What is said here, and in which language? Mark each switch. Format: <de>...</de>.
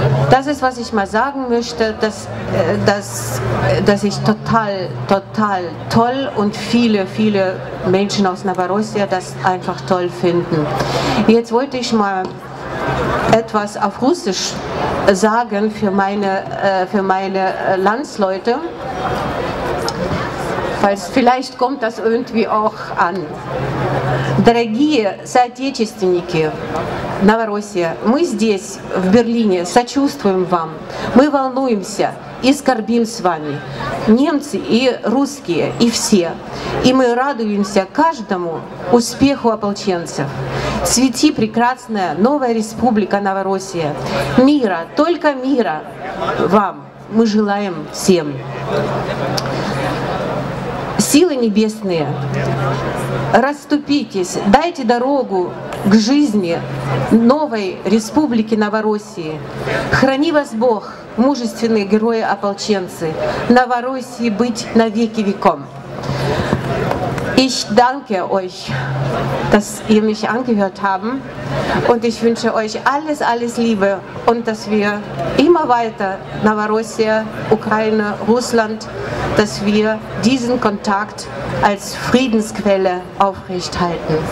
<de>Das ist, was ich mal sagen möchte, dass ich total, total toll und viele, viele Menschen aus Novorossija das einfach toll finden. Jetzt wollte ich mal etwas auf Russisch sagen für meine Landsleute. Vielleicht kommt das irgendwie auch an.</de> <ru>Дорогие соотечественники, Новороссия, мы здесь, в Берлине, сочувствуем вам. Мы волнуемся и скорбим с вами. Немцы и русские, и все. И мы радуемся каждому успеху ополченцев. Свети прекрасная новая республика Новороссия. Мира, только мира вам. Мы желаем всем. Силы небесные, расступитесь, дайте дорогу к жизни новой республики Новороссии. Храни вас Бог, мужественные герои-ополченцы, Новороссии быть навеки веком.</ru> <de>Ich danke euch, dass ihr mich angehört habt und ich wünsche euch alles, alles Liebe und dass wir immer weiter Novorossija, Ukraine, Russland, dass wir diesen Kontakt als Friedensquelle aufrechthalten.</de>